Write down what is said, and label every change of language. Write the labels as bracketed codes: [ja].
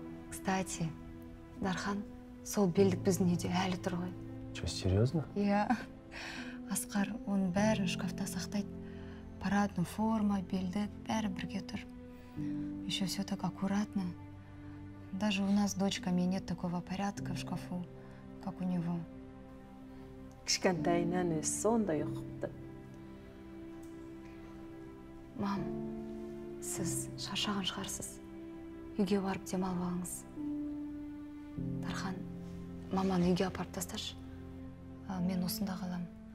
[kk] Кстати, Дархан, сол белдік біздің еде әлі тұр ғой. [ru] Чё, серьезно? [kk] Иә. Асқар, оны бәрі шкафта сақтайды. Парадный форма, белдік, бәрі бірге тұр. [ru] Еще все так аккуратно. Даже у нас с дочками нет такого порядка в шкафу, как у него. [kk] Кішкентайынан өзі сондай ұқыпты. Мам, сіз шаршаған шығарсыз. Үйге барып демалып алыңыз. Дархан, маманы үйге апарып тасташ. Мен осында қалам.